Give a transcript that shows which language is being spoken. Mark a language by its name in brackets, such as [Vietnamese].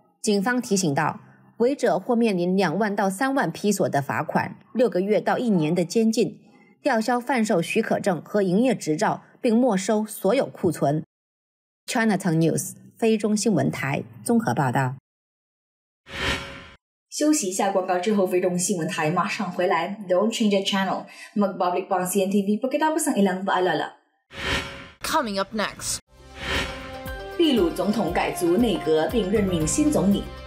[Chinese] 警方提醒道，违者或面临2万到3万披索的罚款，6个月到1年的监禁，吊销贩售许可证和营业执照，并没收所有库存。 Cntv News 菲中新闻台综合报道。休息一下广告之后，菲中新闻台马上回来。 [English] Don't change the channel. [Filipino] Magbablik pa ang CNTV pagkatapos ng ilang paalala. [English] Coming up next. [Chinese] 秘鲁总统改组内阁并任命新总理。